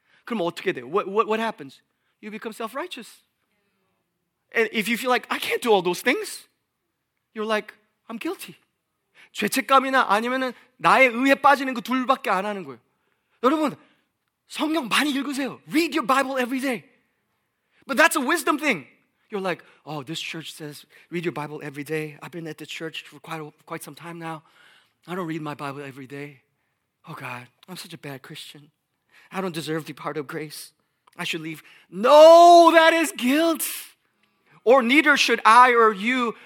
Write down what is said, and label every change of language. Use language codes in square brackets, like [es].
[ko] 그럼 어떻게 돼요? [en] What happens? You become self-righteous. And if you feel like, I can't do all those things, you're like, I'm guilty. [ko] 죄책감이나 아니면은 나의 의에 빠지는 그 둘밖에 안 하는 거예요. 여러분, 성경 많이 읽으세요. [en] Read your Bible every day. But that's a wisdom thing. You're like, oh, this church says read your Bible every day. I've been at the church for quite some time now. I don't read my Bible every day. Oh, God, I'm such a bad Christian. I don't deserve to be part of grace. I should leave. No, that is guilt. Or neither should I or you.